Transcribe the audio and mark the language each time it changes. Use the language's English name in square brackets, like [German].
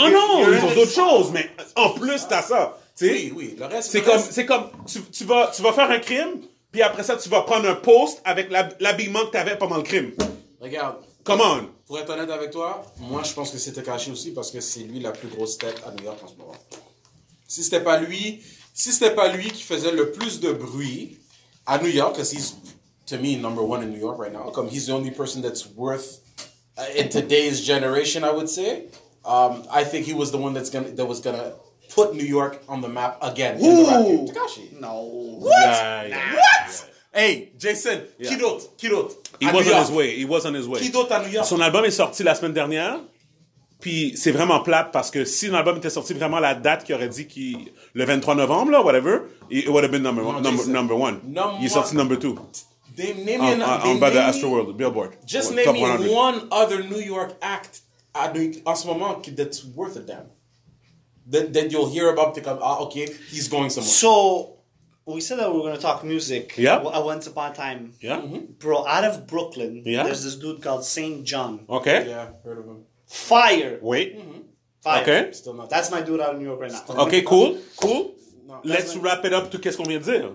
[French] oh non, ils ont d'autres choses, mais en plus, t'as ça. T'sais, oui, oui, le reste... C'est comme tu vas faire un crime, puis après ça, tu vas prendre un post avec l'habillement que t'avais pendant le crime. Regarde. [English] Come on. [French] Pour être honnête avec toi, moi, je pense que c'était caché aussi parce que c'est lui la plus grosse tête à New York en ce moment. Si c'était pas lui... Si c'était pas lui qui faisait le plus de bruit à New York, parce qu'il est, [English] to me, number one in New York right now, comme he's the only person that's worth in today's generation, I would say, I think he was the one that was gonna put New York on the map again. Who? Tekashi. No. What? Yeah, yeah. What? Hey, Jason, Kidot. He was on his way. [French] Kidot à New York. Son album est sorti la semaine dernière. Puis c'est vraiment plate parce que si l'album était sorti vraiment la date qu'il aurait dit qu'il le 23 novembre là [English] whatever it would have been number one. [French] Il est sorti [English] number two. They named Astroworld Billboard. Just name me one other New York act [French] en ce moment [English] that's worth a damn. Then you'll hear about the okay he's going somewhere. So we said that we were going to talk music. Yeah. Once upon a time. Yeah. Mm-hmm. Bro, out of Brooklyn. Yeah. There's this dude called Saint John. Okay. Yeah, heard of him. Fire. Wait. Mm-hmm. Fire. Okay. Still not. That's my dude out of New York right now. Still okay, cool. Cool. No, let's wrap it up to [French] qu'est-ce qu'on vient de dire.